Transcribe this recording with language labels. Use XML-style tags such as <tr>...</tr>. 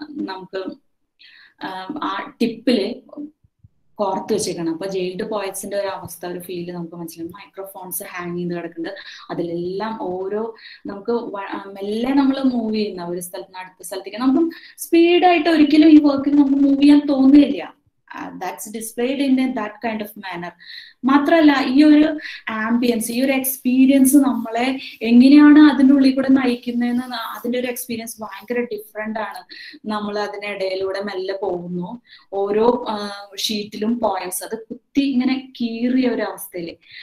<ml>നമുക്ക് ആ ടിപ്പില് കോർത്ത് വെച്ചേക്കണം. അപ്പൊ ജയിൽഡ് പോയറ്റ്സിന്റെ ഒരു അവസ്ഥ, ഒരു ഫീല് നമുക്ക് മനസ്സിലാക്കും. മൈക്രോഫോൺസ് ഹാങ് ചെയ്ത് കിടക്കുന്നുണ്ട്. അതിലെല്ലാം ഓരോ നമുക്ക് മെല്ലെ നമ്മൾ മൂവ് ചെയ്യുന്ന ഒരു സ്ഥലത്ത് നിന്ന് അടുത്ത സ്ഥലത്തേക്ക് നമുക്ക് സ്പീഡായിട്ട് ഒരിക്കലും ഈ വർക്കിൽ നമുക്ക് മൂവ് ചെയ്യാൻ തോന്നുകയില്ല.</ml> <en>That's displayed in that kind of manner.</en> <ml>മാത്രല്ല ഈ ഒരു ആംബിയൻസ്, ഈ ഒരു എക്സ്പീരിയൻസ് നമ്മളെ എങ്ങനെയാണ് അതിൻ്റെ ഉള്ളിൽ കൂടെ നയിക്കുന്നതെന്ന്, അതിൻ്റെ ഒരു എക്സ്പീരിയൻസ് ഭയങ്കര ഡിഫറെന്റ് ആണ്. നമ്മൾ അതിനിടയിലൂടെ മെല്ലെ പോകുന്നു, ഓരോ ഷീറ്റിലും പോയിൻസ് അത് കുത്തി ഇങ്ങനെ കീറിയ ഒരു അവസ്ഥയില്.</ml>